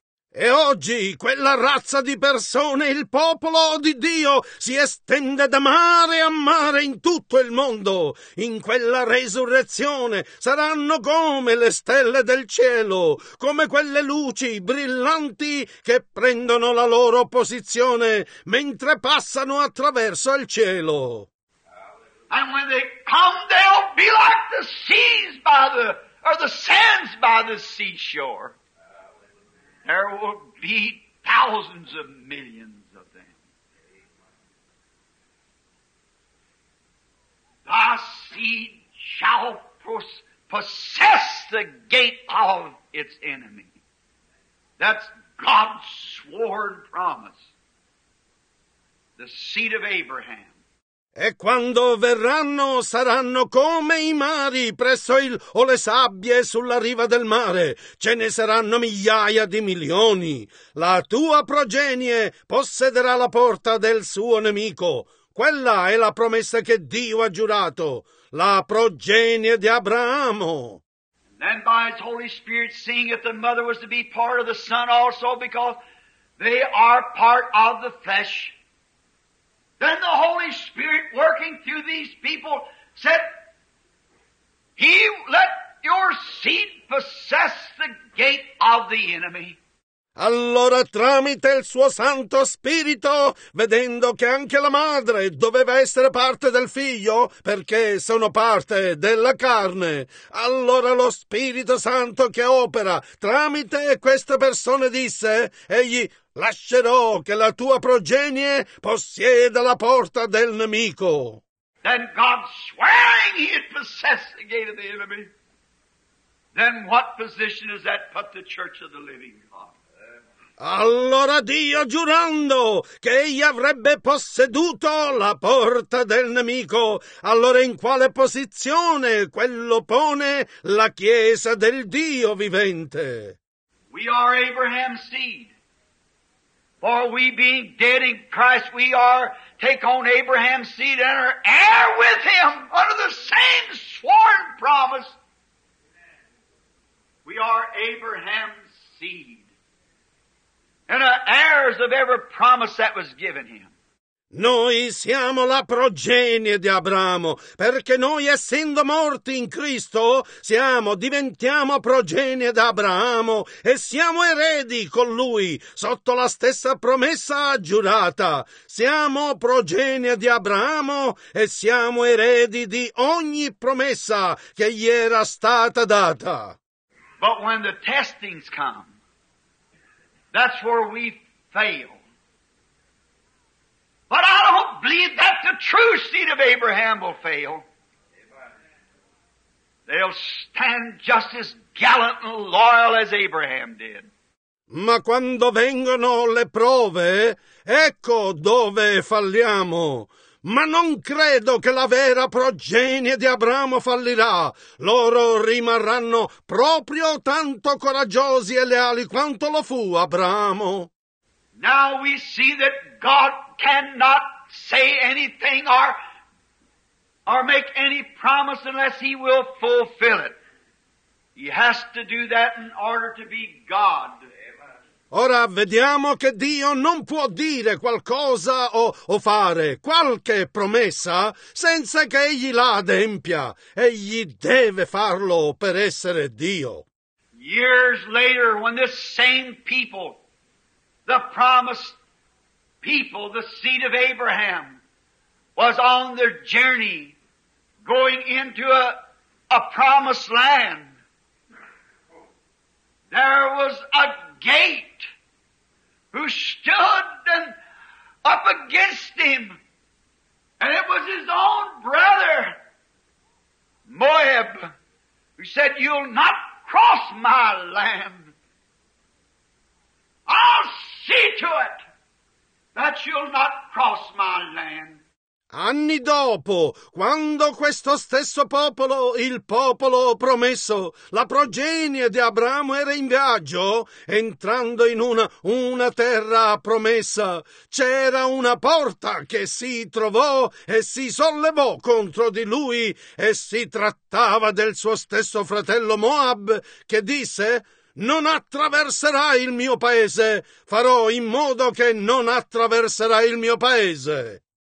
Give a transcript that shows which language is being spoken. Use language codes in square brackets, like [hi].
[it] E oggi quella razza di persone, il popolo di Dio, si estende da mare a mare in tutto il mondo. In quella resurrezione saranno come le stelle del cielo, come quelle luci brillanti che prendono la loro posizione mentre passano attraverso il cielo. Alleluia. [en] And when they come, they'll be like the seas by the, or the sands by the seashore. There will be thousands of millions of them. Thy seed shall possess the gate of its enemy. That's God's sworn promise. The seed of Abraham. [it] E quando verranno saranno come i mari presso il o le sabbie sulla riva del mare, ce ne saranno migliaia di milioni. La tua progenie possederà la porta del suo nemico. Quella è la promessa che Dio ha giurato, la progenie di Abramo. [en] Then by his Holy Spirit, seeing if the mother was to be part of the son also, because they are part of the flesh. Then the Holy Spirit, working through these people, said, "He let your seed possess the gate of the enemy." [it] Allora tramite il suo Santo Spirito, vedendo che anche la madre doveva essere parte del figlio, perché sono parte della carne, allora lo Spirito Santo che opera tramite queste persone disse, egli lascerò che la tua progenie possieda la porta del nemico. [en] Then God swearing he had possessed the gate of the enemy, then what position does that put the church of the living God? [it] Allora Dio giurando che egli avrebbe posseduto la porta del nemico, allora in quale posizione quello pone la chiesa del Dio vivente? [en] We are Abraham's seed. For we being dead in Christ, we are take on Abraham's seed and are heir with him under the same sworn promise. We are Abraham's seed. And are heirs of every promise that was given him. [it] Noi siamo la progenie di Abramo, perché noi essendo morti in Cristo, diventiamo progenie di Abramo e siamo eredi con lui, sotto la stessa promessa giurata. Siamo progenie di Abramo e siamo eredi di ogni promessa che gli era stata data. [en] But when the testings come, that's where we fail. But I don't believe that the true seed of Abraham will fail. They'll stand just as gallant and loyal as Abraham did. [it] Ma quando vengono le prove, ecco dove falliamo. Ma non credo che la vera progenie di Abramo fallirà. Loro rimarranno proprio tanto coraggiosi e leali quanto lo fu Abramo. [en] Now we see that God cannot say anything or make any promise unless he will fulfill it. He has to do that in order to be God. [it] Ora vediamo che Dio non può dire qualcosa o fare qualche promessa senza che egli la adempia. Egli deve farlo per essere Dio. [en] Years later, when this same people, the promised people, the seed of Abraham, was on their journey going into a promised land, there was a gate who stood up against him, and it was his own brother Moab who said, "You'll not cross my land. I'll see to it that you'll not cross my land." [it] Anni dopo, quando questo stesso popolo, il popolo promesso, la progenie di Abramo era in viaggio, entrando in una terra promessa, c'era una porta che si trovò e si sollevò contro di lui e si trattava del suo stesso fratello Moab, che disse: "Non attraverserai il mio paese, farò in modo che non attraverserai il mio paese."